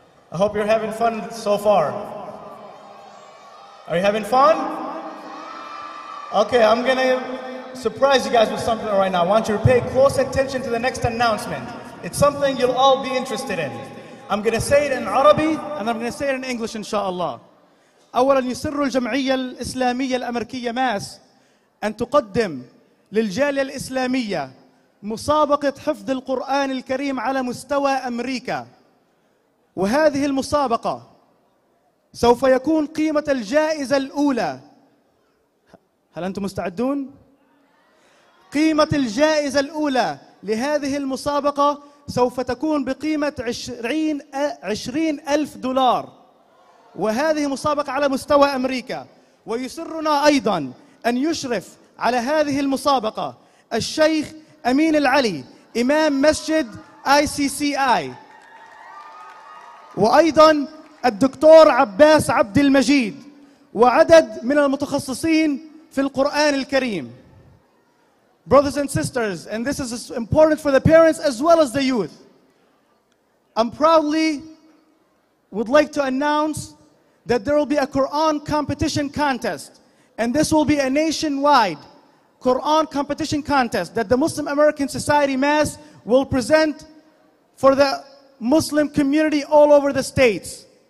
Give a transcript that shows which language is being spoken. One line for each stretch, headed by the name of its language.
English: I hope you're having fun so far. Are you having fun? Okay, I'm gonna surprise you guys with something right now. I want you to pay close attention to the next announcement. It's something you'll all be interested in. I'm gonna say it in Arabic and I'm gonna say it in English, inshallah.
Arabic: أولا يسر الجمعية الإسلامية الأمريكية ماس أن تقدم للجالية الإسلامية مسابقة حفظ القرآن الكريم على مستوى أمريكا، وهذه المسابقة سوف يكون قيمة الجائزة الأولى. هل أنتم مستعدون؟ قيمة الجائزة الأولى لهذه المسابقة سوف تكون بقيمة 20,000 دولار، وهذه مسابقة على مستوى أمريكا. ويسرنا أيضا أن يشرف على هذه المسابقة الشيخ أمين العلي إمام مسجد ICCI، وأيضا الدكتور عباس عبد المجيد وعدد من المتخصصين في القرآن الكريم.
English: Brothers and sisters, and this is important for the parents as well as the youth. I'm proudly would like to announce that there will be a Quran competition contest, and this will be a nationwide Quran competition contest that the Muslim American Society Mass will present for the Muslim community all over the states.